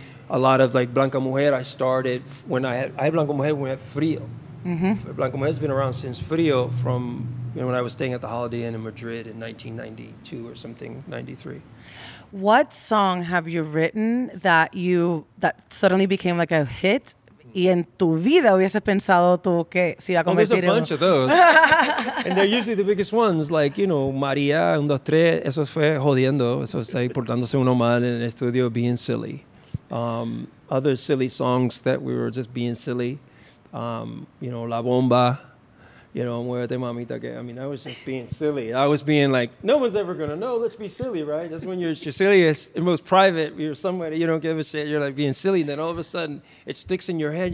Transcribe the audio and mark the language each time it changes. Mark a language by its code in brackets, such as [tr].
[en] A lot of like Blanca Mujer, I started when I had Blanca Mujer when we had Frio. Mm-hmm. Blanca Mujer has been around since Frio from you know, when I was staying at the Holiday Inn in Madrid in 1992 or something, 93. What song have you written that you that suddenly became like a hit? [es] Y en tu vida hubiese pensado tú que se iba a convertir [en] en... Well, there's a bunch of those. And they're usually the biggest ones. Like, you know, María, un, dos, tres. [es] Eso fue jodiendo. Eso está ahí portándose uno mal en el estudio, [en] being silly. Other silly songs that we were just being silly. You know, La Bomba. You know, [es] muerte, mamita, que... [en] I mean, I was just being silly. I was being like, no one's ever going to know. Let's be silly, right? That's when you're your silliest and most private. You're somebody, you don't give a shit. You're like being silly. And then all of a sudden, it sticks in your head.